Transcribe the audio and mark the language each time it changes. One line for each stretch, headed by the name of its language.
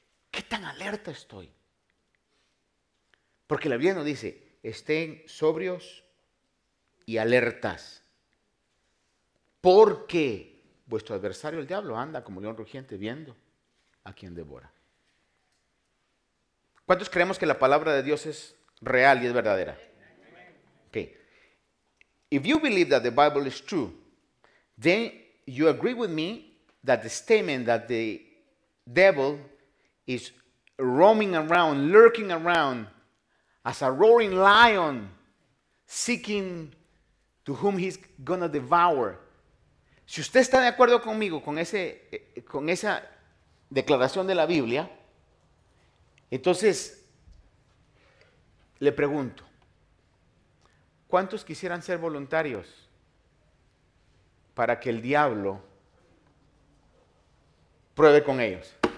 Spanish: ¿Qué tan alerta estoy? Porque la Biblia nos dice, estén sobrios y alertas, porque vuestro adversario el diablo anda como león rugiente viendo a quien devora. ¿Cuántos creemos que la palabra de Dios es real y es verdadera?
English: Okay. If you believe that the Bible is true, then you agree with me that the statement that the devil is roaming around, lurking around as a roaring lion seeking to whom he's going to devour.
Spanish: Si usted está de acuerdo conmigo con esa declaración de la Biblia, entonces le pregunto, ¿cuántos quisieran ser voluntarios para que el diablo pruebe con ellos?